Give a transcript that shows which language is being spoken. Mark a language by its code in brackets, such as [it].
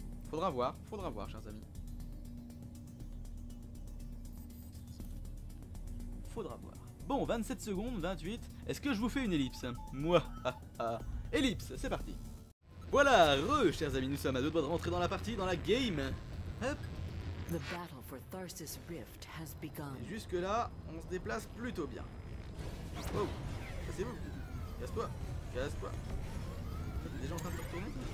[fr] Faudra voir, chers amis. Faudra voir. Bon, 27 secondes, 28. Est-ce que je vous fais une ellipse? Moi, ellipse, c'est parti. Voilà, chers amis, nous sommes à deux doigts de rentrer dans la partie, dans la game. Hop. [en] The battle for Tharsis Rift has begun. [fr] Jusque là, on se déplace plutôt bien. Wow, c'est vous. Casse-toi. Il y a des gens en train de se retourner.